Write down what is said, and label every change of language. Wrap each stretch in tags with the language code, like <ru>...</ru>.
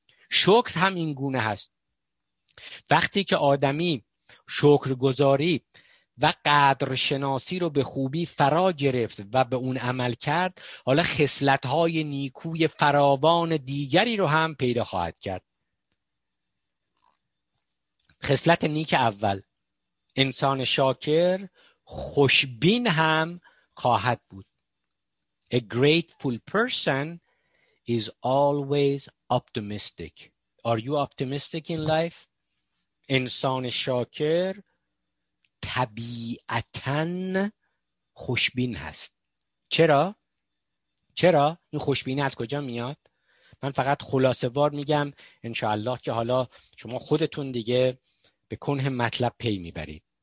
<fa>شکر هم این گونه هست. وقتی که آدمی شکرگزاری و قدرشناسی رو به خوبی فرا گرفت و به اون عمل کرد، حالا خصلت‌های نیکوی فراوان دیگری رو هم پیدا خواهد کرد. خصلت نیک اول، انسان شاکر خوشبین هم خواهد بود.</fa> <en>A grateful person is always optimistic. Are you optimistic in life?</en> <fa>انسان شاکر طبیعتاً خوشبین هست. چرا؟ چرا؟ این خوشبینی از کجا میاد؟ من فقط خلاصه وار میگم انشاءالله که حالا شما خودتون دیگه به کنه مطلب پی میبرید.</fa>